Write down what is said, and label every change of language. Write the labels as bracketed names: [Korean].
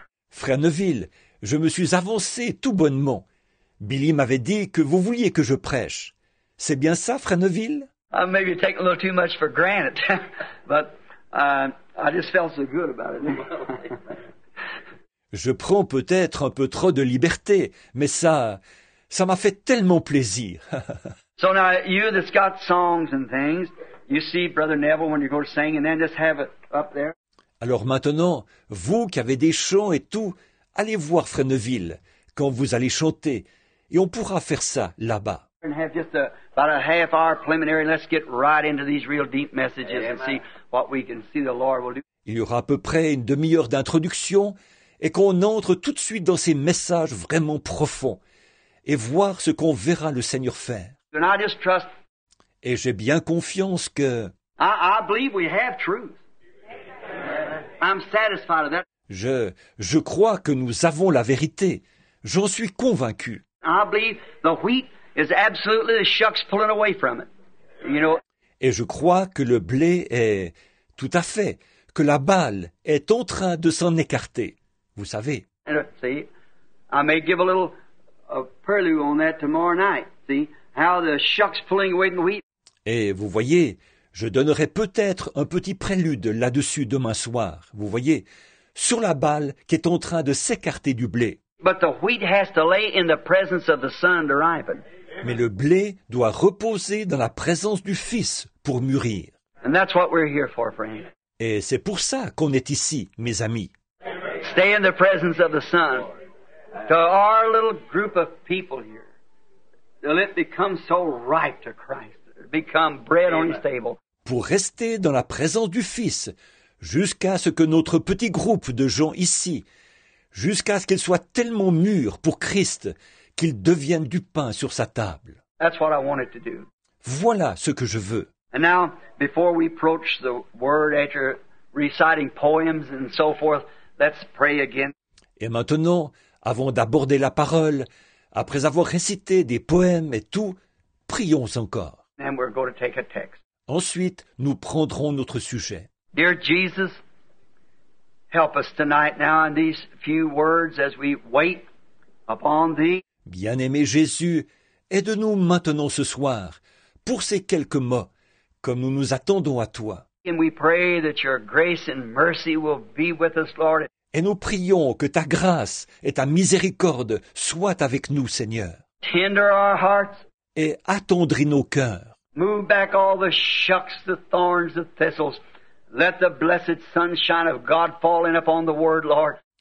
[French] Frère Neville, je me suis avancé tout bonnement. Billy m'avait dit que vous vouliez que je prêche. C'est bien ça, Frère Neville? [English] I may be taking a little too much for granted, but I just felt so good about it. [French] Je prends peut-être un peu trop de liberté, mais ça m'a fait tellement plaisir. [English] So now, you that's got songs and things, you see Brother Neville when you go sing, and then just have it up there. [French] Alors maintenant, vous qui avez des chants et tout, allez voir Frère Neville quand vous allez chanter, et on pourra faire ça là-bas. [English] And have just about a half hour preliminary, let's get right into these real deep messages and see what we can see the Lord will do. [French] Il y aura à peu près une demi-heure d'introduction, et qu'on entre tout de suite dans ces messages vraiment profonds et voir ce qu'on verra le Seigneur faire. Et j'ai bien confiance que... [English] I believe we have truth. I'm satisfied of that. [French] Je crois que nous avons la vérité. J'en suis convaincu. [English] I believe the wheat is absolutely the shucks pulling away from it. You know? [French] Et je crois que le blé est tout à fait, que la balle est en train de s'en écarter. Vous savez. [English] See, I may give a little prelude on that tomorrow night. See how the shucks pulling away the wheat. [French] Et vous voyez, je donnerai peut-être un petit prélude là-dessus demain soir. Vous voyez, sur la balle qui est en train de s'écarter du blé. [English] But the wheat has to lay in the presence of the Son to ripen. [French] Mais le blé doit reposer dans la présence du Fils pour mûrir. [English] And that's what we're here for, friend. [French] Et c'est pour ça qu'on est ici, mes amis. [English] Stay in the presence of the Son. To our little group of people here, till it becomes so ripe to Christ, become bread on his table. [French] Pour rester dans la présence du Fils, jusqu'à ce que notre petit groupe de gens ici, jusqu'à ce qu'il soit tellement mûr pour Christ, qu'il devienne du pain sur sa table. [English] That's what I wanted to do. [French] Voilà ce que je veux. [English] And now, before we approach the Word, after reciting poems and so forth, let's pray again. [French] Et maintenant, avant d'aborder la parole, après avoir récité des poèmes et tout, prions encore. [English] And we're going to take a text. [French] Ensuite, nous prendrons notre sujet. [English] Dear Jesus, help us tonight now in these few words as we wait upon thee. [French] Bien-aimé Jésus, aide-nous maintenant ce soir pour ces quelques mots, comme nous nous attendons à toi. [English] And we pray that your grace and mercy will be with us, Lord. [French] Et nous prions que ta grâce et ta miséricorde soient avec nous, Seigneur. [English] Tender our hearts. [French] Et attendris nos cœurs. [English] Move back all the shucks, the thorns, the thistles. Let the blessed sunshine of God fall in upon the word, Lord.